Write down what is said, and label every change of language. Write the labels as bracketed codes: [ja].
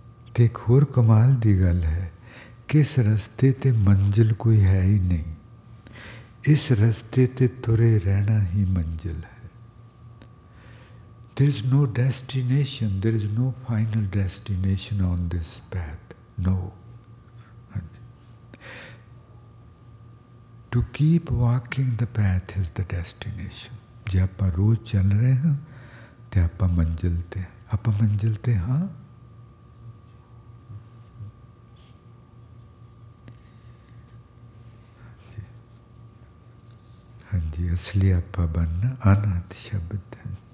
[pa] ਅਤੇ ਇੱਕ ਹੋਰ ਕਮਾਲ ਦੀ ਗੱਲ ਹੈ, ਕਿਸ ਰਸਤੇ 'ਤੇ ਮੰਜ਼ਿਲ ਕੋਈ ਹੈ ਹੀ ਨਹੀਂ, ਇਸ ਰਸਤੇ 'ਤੇ ਤੁਰੇ ਰਹਿਣਾ ਹੀ ਮੰਜ਼ਿਲ ਹੈ। [en] There is no destination, there is no final destination on this path, no. To keep walking the path is the destination. [pa] ਜੇ ਆਪਾਂ ਰੋਜ਼ ਚੱਲ ਰਹੇ ਹਾਂ ਤਾਂ ਆਪਾਂ ਮੰਜ਼ਿਲ 'ਤੇ, ਆਪਾਂ ਮੰਜ਼ਿਲ 'ਤੇ ਹਾਂ। ਹਾਂਜੀ, ਅਸਲੀ ਆਪਾਂ ਬਣਨਾ ਅਨਹਦ ਸ਼ਬਦ ਹੈ।